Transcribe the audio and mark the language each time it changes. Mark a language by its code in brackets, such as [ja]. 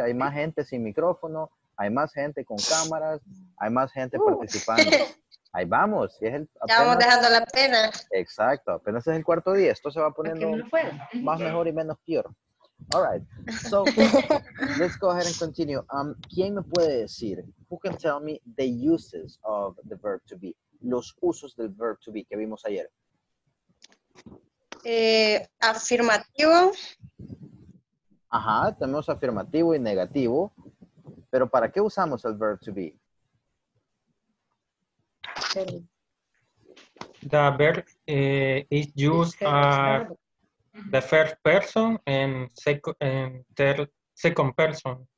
[es] Hay más gente sin micrófono, hay más gente con cámaras, hay más gente participando. Ahí vamos. Y es el, apenas, ya vamos dejando la pena. Exacto. Apenas es el cuarto día. Esto se va poniendo más mejor y menos peor. [en] All right. So, let's go ahead and continue. [es] ¿Quién me puede decir? [en] Who can tell me the uses of the verb to be? [es] Los usos del verb to be que vimos ayer. Afirmativo. Ajá, tenemos afirmativo y negativo. Pero ¿para qué usamos el verb to be? [en] The verb is used the first person and second person.